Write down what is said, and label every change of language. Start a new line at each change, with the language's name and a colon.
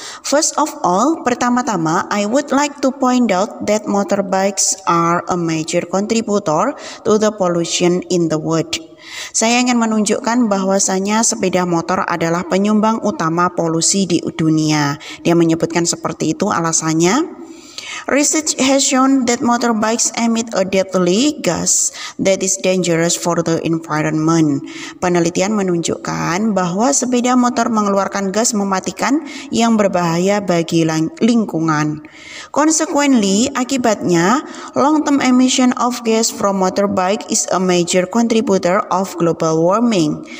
English: First of all,
Indonesian: pertama-tama,
English: I would like to point out that motorbikes are a major contributor to the pollution in the world.
Indonesian: Saya ingin menunjukkan bahwasanya sepeda motor adalah penyumbang utama polusi di dunia. Dia menyebutkan seperti itu alasannya.
English: Research has shown that motorbikes emit a deadly gas that is dangerous for the environment.
Indonesian: Penelitian menunjukkan bahwa sepeda motor mengeluarkan gas mematikan yang berbahaya bagi lingkungan.
English: Consequently,
Indonesian: akibatnya,
English: long-term emission of gas from motorbike is a major contributor of global warming.